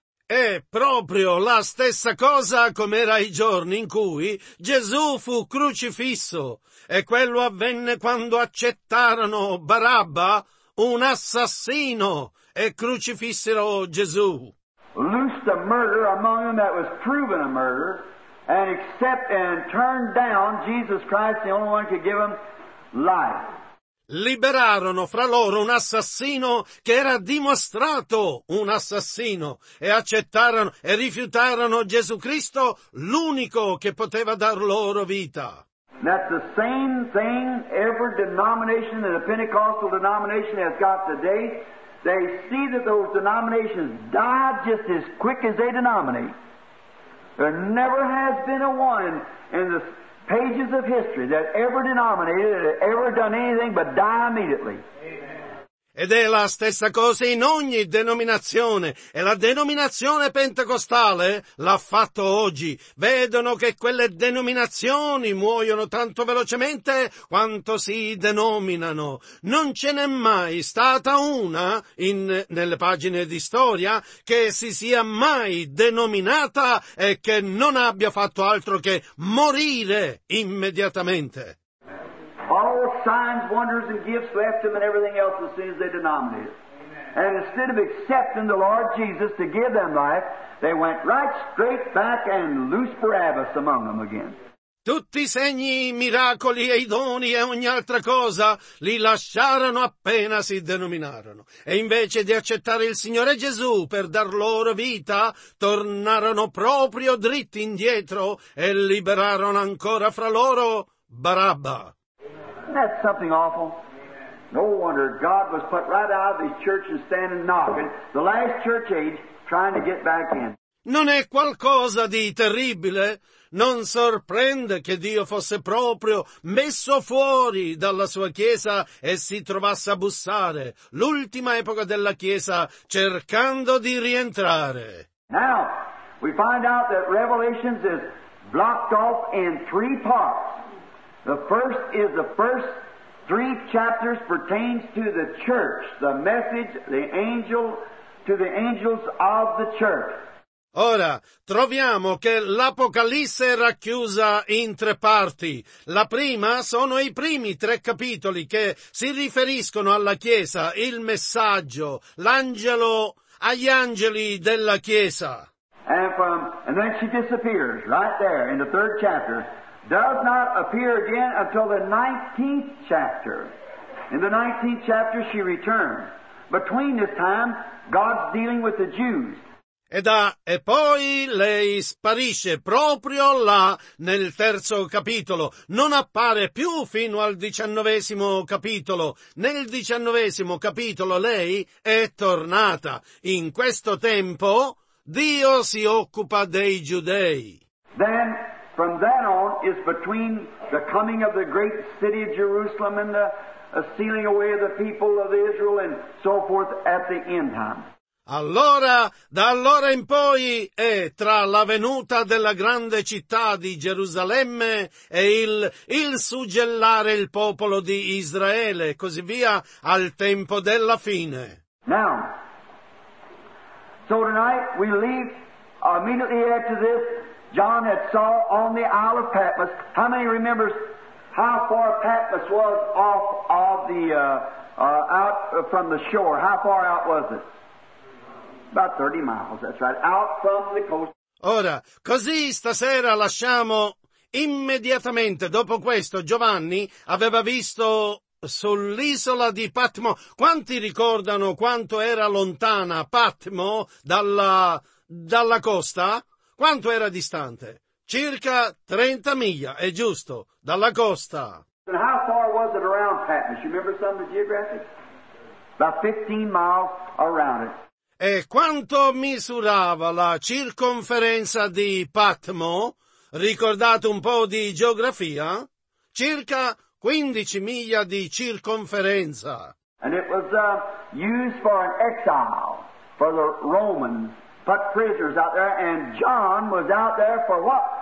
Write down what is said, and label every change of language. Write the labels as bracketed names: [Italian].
[Italian] È proprio la stessa cosa come era i giorni in cui Gesù fu crucifisso. E quello avvenne quando accettarono Barabba, un assassino, e crucifissero Gesù. [English] Loosed a murderer among them that was proven a murderer, and accept and turned down Jesus Christ, the only one who could give them life. [Italian] Liberarono fra loro un assassino che era dimostrato un assassino e accettarono e rifiutarono Gesù Cristo, l'unico che poteva dar loro vita. [English] That's the same thing every denomination and a Pentecostal denomination has got today. They see that those denominations die just as quick as they denominate. There never has been a one in the pages of history that ever denominated, that ever done anything but die immediately. [Italian] Ed è la stessa cosa in ogni denominazione, e la denominazione pentecostale l'ha fatto oggi. Vedono che quelle denominazioni muoiono tanto velocemente quanto si denominano. Non ce n'è mai stata una, nelle pagine di storia, che si sia mai denominata e che non abbia fatto altro che morire immediatamente. [English] all signs, wonders, and gifts left them and everything else as soon as they denominated. Amen. And instead of accepting the Lord Jesus to give them life, they went right straight back and loose Barabbas among them again. [Italian] Tutti i segni, i miracoli e i doni e ogni altra cosa li lasciarono appena si denominarono. E invece di accettare il Signore Gesù per dar loro vita, tornarono proprio dritti indietro e liberarono ancora fra loro Barabba. [English] That's something awful. No wonder God was put right out of his church and standing knocking, the last church age, trying to get back in. [Italian] Non è qualcosa di terribile? Non sorprende che Dio fosse proprio messo fuori dalla sua Chiesa e si trovasse a bussare, l'ultima epoca della Chiesa, cercando di rientrare. [English] Now, we find out that Revelation is blocked off in three parts. The first is the first three chapters pertains to the church, the message, the angel, to the angels of the church. [Italian] Ora, troviamo che l'Apocalisse è racchiusa in tre parti. La prima sono i primi tre capitoli che si riferiscono alla Chiesa, il messaggio, l'angelo, agli angeli della Chiesa. [English] And then she disappears, right there, in the third chapter. Does not appear again until the 19th chapter. In the 19th chapter she returns. Between this time, God's dealing with the Jews. [Italian] E poi lei sparisce proprio là, nel terzo capitolo. Non appare più fino al 19° capitolo. Nel 19° capitolo lei è tornata. In questo tempo, Dio si occupa dei giudei. [English] Then, from that on, is between the coming of the great city of Jerusalem and the sealing away of the people of Israel and so forth at the end time. [Italian] Allora, da allora in poi, è tra la venuta della grande città di Gerusalemme e il suggellare il popolo di Israele, così via, al tempo della fine. [English] Now, so tonight we leave immediately after this, John had saw on the Isle of Patmos. How many remembers how far Patmos was off of the, out from the shore? How far out was it? About 30 miles, that's right, out from the coast. [Italian] Ora, così stasera lasciamo immediatamente dopo questo. Giovanni aveva visto sull'isola di Patmo. Quanti ricordano quanto era lontana Patmo dalla costa? Quanto era distante? Circa 30 miglia, è giusto, dalla costa. [English] And how far was it around Patmos? You remember some of the geographic? About 15 miles around it. [Italian] E quanto misurava la circonferenza di Patmo? Ricordate un po' di geografia? Circa 15 miglia di circonferenza. [English] And it was used for an exile, for the Romans, put prisoners out there, and John was out there for what?